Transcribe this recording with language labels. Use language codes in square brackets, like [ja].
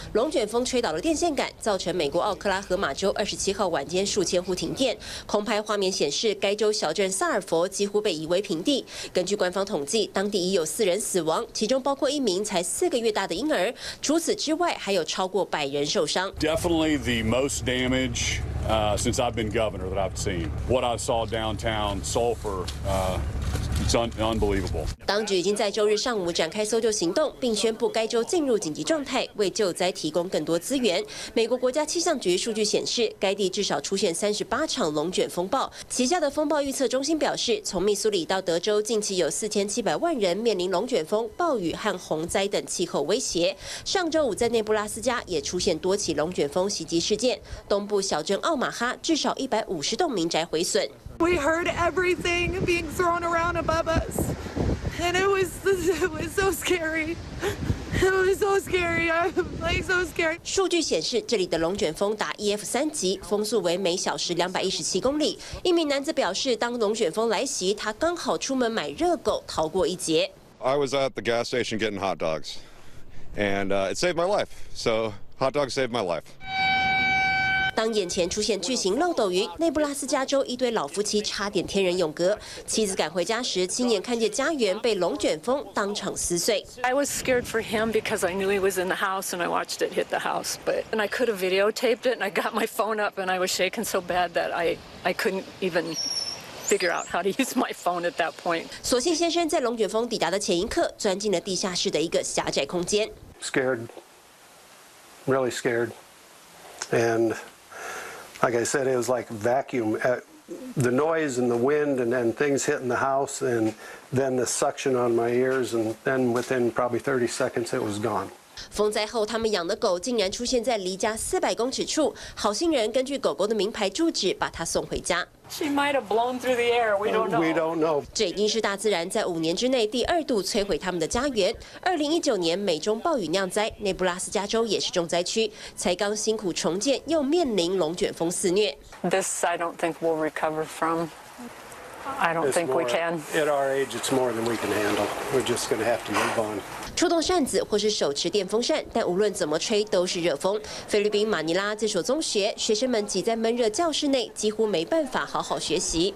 [zh] 龙卷风吹倒了电线杆，造成美国奥克拉荷马州27号晚间数千户停电。空拍画面显示，该州小镇萨尔佛几乎被夷为平地。根据官方统计，当地已有4人死亡，其中包括一名才4个月大的婴儿。除此之外，还有超过100人受伤。 [en] Definitely the most damage since I've been governor that I've seen. What I saw downtown Sulphur It's unbelievable. [zh] 当局已经在周日上午展开搜救行动，并宣布该州进入紧急状态，为救灾提供更多资源。美国国家气象局数据显示，该地至少出现38场龙卷风暴。旗下的风暴预测中心表示，从密苏里到德州，近期有4700万人面临龙卷风、暴雨和洪灾等气候威胁。上周五在内布拉斯加也出现多起龙卷风袭击事件，东部小镇奥马哈至少150栋民宅毁损。 [en] We heard everything being thrown around above us, and it was so scary. It was so scary. I'm like so scared. [zh] 数据显示，这里的龙卷风达 EF3级，风速为每小时217公里。一名男子表示，当龙卷风来袭，他刚好出门买热狗，逃过一劫。 [en] I was at the gas station getting hot dogs, and it saved my life. So hot dogs saved my life. [zh] 当眼前出现巨型漏斗云，内布拉斯加州一对老夫妻差点天人永隔。妻子赶回家时，亲眼看见家园被龙卷风当场撕碎。 [en] I was scared for him because I knew he was in the house and I watched it hit the house. But and I could have videotaped it and I got my phone up and I was shaking so bad that I couldn't even. Figure out how to use my phone at that point. [zh] 所幸先生在龙卷风抵达的前一刻，钻进了地下室的一个狭窄空间。 [en] Scared, really scared, and like I said, it was like vacuum. The noise and the wind, and then things hitting the house, and then the suction on my ears, and then within probably 30 seconds, it was gone. [zh] 风灾后，他们养的狗竟然出现在离家400公尺处。好心人根据狗狗的名牌住址，把它送回家。 [en] She might have blown through the air. We don't know. [zh] 这已经是大自然在五年之内第二度摧毁他们的家园。 2019年美中暴雨酿灾，内布拉斯加州也是重灾区，才刚辛苦重建，又面临龙卷风肆虐。 [en] This I don't think we'll recover from. I don't think we can. At our age, it's more than we can handle. We're just going to have to move on. [zh] 出动扇子或是手持电风扇，但无论怎么吹都是热风。菲律宾马尼拉这所中学，学生们挤在闷热教室内，几乎没办法好好学习。